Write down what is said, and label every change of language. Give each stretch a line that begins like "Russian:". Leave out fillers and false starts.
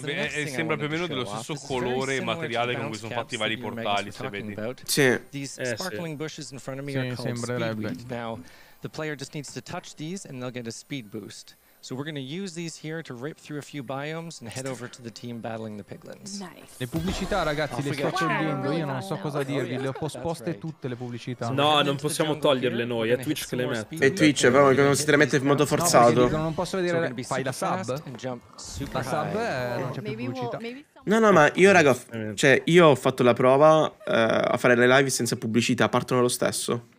Italian: e sembra più o meno dello stesso colore e materiale con cui sono fatti i vari portali, se vedi. Sì.
English: These sparkling bushes in front of me are called speedweed. Now the player just needs to touch these and they'll get a speed boost. So we're going to use these here to rip through a few biomes and head over to the team battling the piglins. Nice.
Italian: Le pubblicità, ragazzi, le sto cercando, io non so cosa dirvi, le ho posposte tutte le pubblicità. No, non possiamo toglierle noi, è Twitch che le mette. È Twitch, però che non si le mette in modo forzato. No, non posso vedere, fai la sub? La sub non c'è più pubblicità. No, no, ma io, raga, cioè, io ho fatto la prova a fare le live senza pubblicità, partono lo stesso.